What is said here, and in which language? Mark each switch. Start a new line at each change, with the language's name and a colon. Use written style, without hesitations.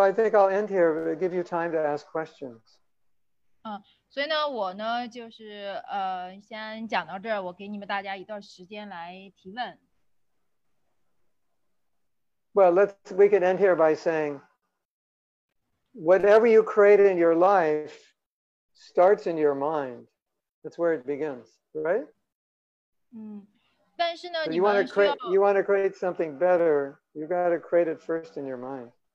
English: I think I'll end here, but give you time to ask questions.
Chinese: 所以呢，我呢就是先讲到这儿，我给你们大家一段时间来提问。
English: Well, we could end here by saying, whatever you create in your life starts in your mind. That's where it begins, right?
Chinese: 但是呢,
English: so you want to create something better, you got to create it first in your mind.